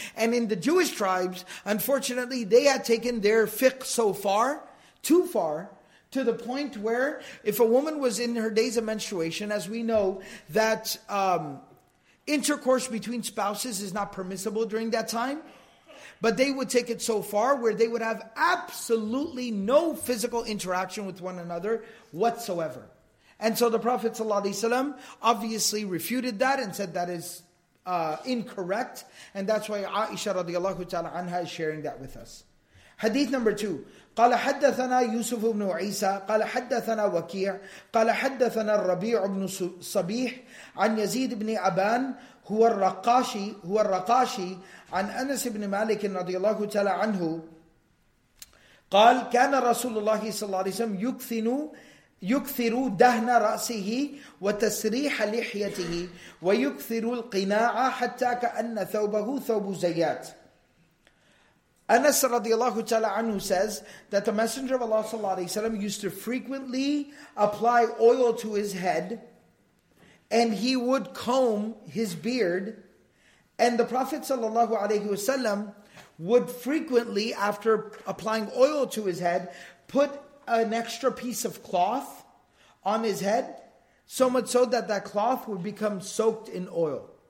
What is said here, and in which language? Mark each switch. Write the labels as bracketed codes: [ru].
[en] And in the Jewish tribes, unfortunately, they had taken their fiqh so far, too far, to the point where if a woman was in her days of menstruation, as we know that intercourse between spouses is not permissible during that time, but they would take it so far where they would have absolutely no physical interaction with one another whatsoever. And so the Prophet ﷺ obviously refuted that and said that is incorrect. And that's why Aisha radiallahu ta'ala anha is sharing that with us. Hadith number 2. [ar] قال حدثنا يوسف بن عيسى قال حدثنا وكيع قال حدثنا الربيع بن صبيح عن يزيد بن أبان هو الرقاشي عن أنس بن مالك رضي الله تعالى عنه قال كان رسول الله صلى الله عليه وسلم يكثر دهن رأسه وتسريح لحيته ويكثر القناع حتى كأن ثوبه ثوب زيات. [en] Anas radiallahu ta'ala anhu says that the Messenger of Allah sallallahu alayhi wa sallam used to frequently apply oil to his head and he would comb his beard, and the Prophet sallallahu alayhi wa sallam would frequently, after applying oil to his head, put an extra piece of cloth on his head, so much so that that cloth would become soaked in oil.